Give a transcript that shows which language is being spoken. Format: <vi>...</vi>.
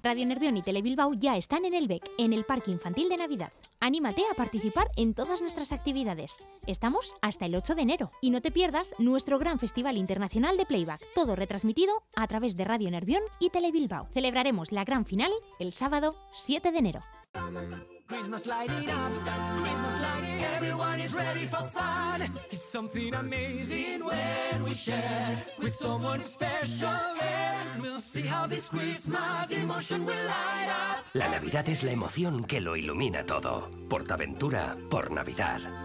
<es>Radio Nervión y Telebilbao ya están en el BEC, en el Parque Infantil de Navidad. Anímate a participar en todas nuestras actividades. Estamos hasta el 8 de enero. Y no te pierdas nuestro gran Festival Internacional de Playback, todo retransmitido a través de Radio Nervión y Telebilbao. Celebraremos la gran final el sábado 7 de enero.</es> <en>Christmas lighting up, Christmas lighting, everyone is ready for fun. It's something amazing when we share with someone special, and we'll see how this Christmas emotion will light up.</en> <es>La Navidad es la emoción que lo ilumina todo. Portaventura por Navidad.</es>